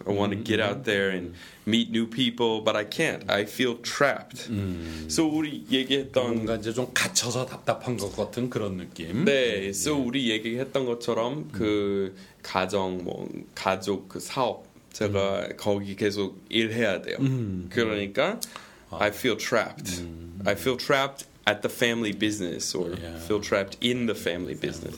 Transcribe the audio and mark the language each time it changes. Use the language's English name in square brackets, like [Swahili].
[English] I want to get out there and meet new people, but I can't. I feel trapped. So [Korean] 우리 얘기했던 뭔가 이제 좀 갇혀서 답답한 것 같은 그런 느낌. 네, so 우리 얘기했던 것처럼 그 가정, 뭐 가족, 그 사업 제가 거기 계속 일해야 돼요. 그러니까 [English] I feel trapped. I feel trapped at the family business or feel trapped in the family business.